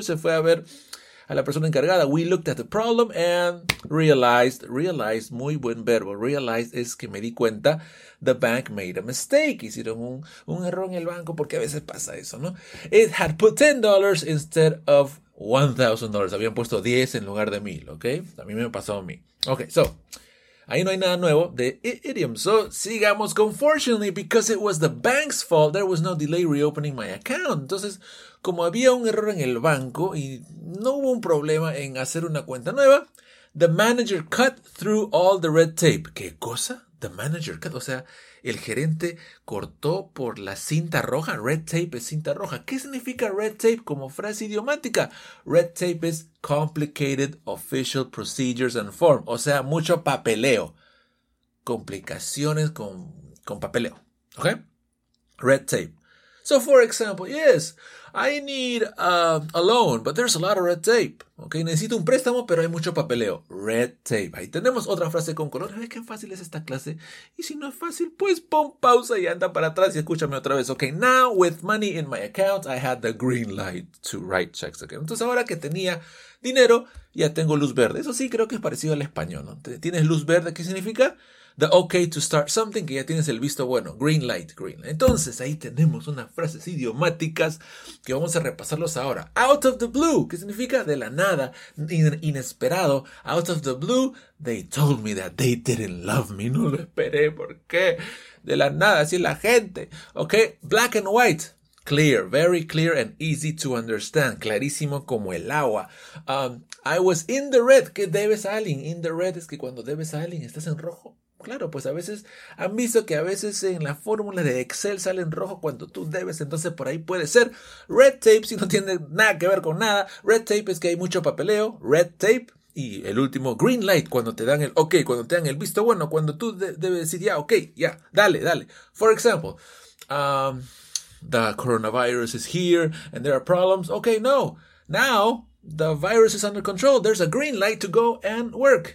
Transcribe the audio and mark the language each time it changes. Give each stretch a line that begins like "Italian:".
Spanish: Se fue a ver a la persona encargada.
English: We looked at the problem and realized,
Spanish: muy buen verbo, realized es que me di cuenta
English: the bank made a mistake.
Spanish: Hicieron un error en el banco, porque a veces pasa eso, ¿no?
English: It had put $10 instead of $1,000.
Spanish: Habían puesto 10 en lugar de 1,000, ¿ok? A mí me pasó a mí. Ok, so, ahí no hay nada nuevo de idiom.
English: So,
Spanish: sigamos con
English: fortunately, because it was the bank's fault, there was no delay reopening my account.
Spanish: Entonces, como había un error en el banco y no hubo un problema en hacer una cuenta nueva,
English: the manager cut through all the red tape.
Spanish: ¿Qué cosa?
English: The manager cut.
Spanish: O sea, el gerente cortó por la cinta roja. Red tape es cinta roja. ¿Qué significa red tape como frase idiomática?
English: Red tape es complicated official procedures and form.
Spanish: O sea, mucho papeleo. Complicaciones con papeleo. ¿Ok? Red tape.
English: So, for example, yes, I need a loan, but there's a lot of red tape.
Spanish: Okay, necesito un préstamo, pero hay mucho papeleo. Red tape. Ahí tenemos otra frase con color. ¿Ves qué fácil es esta clase? Y si no es fácil, pues pon pausa y anda para atrás y escúchame otra vez.
English: Okay, now with money in my account, I had the green light to write checks again.
Spanish: Entonces, ahora que tenía dinero, ya tengo luz verde. Eso sí creo que es parecido al español, ¿no? Tienes luz verde, ¿qué significa?
English: The okay to start something,
Spanish: que ya tienes el visto bueno. Green light, green light. Entonces, ahí tenemos unas frases idiomáticas que vamos a repasarlos ahora. Out of the blue, que significa de la nada, inesperado.
English: Out of the blue, they told me that they didn't love me.
Spanish: No lo esperé, ¿por qué? De la nada, así la gente.
English: Okay, black and white, clear, very clear and easy to understand.
Spanish: Clarísimo como el agua.
English: I was in the red,
Spanish: que debes a alguien. In the red es que cuando debes a alguien estás en rojo. Claro, pues a veces han visto que a veces en la fórmula de Excel sale en rojo cuando tú debes. Entonces, por ahí puede ser red tape, si no tiene nada que ver con nada. Red tape es que hay mucho papeleo. Red tape. Y el último, green light, cuando te dan el ok, cuando te dan el visto bueno, cuando tú debes decir ya, ok, ya, dale.
English: For example, the coronavirus is here and there are problems. Ok, no. Now, the virus is under control. There's a green light to go and work.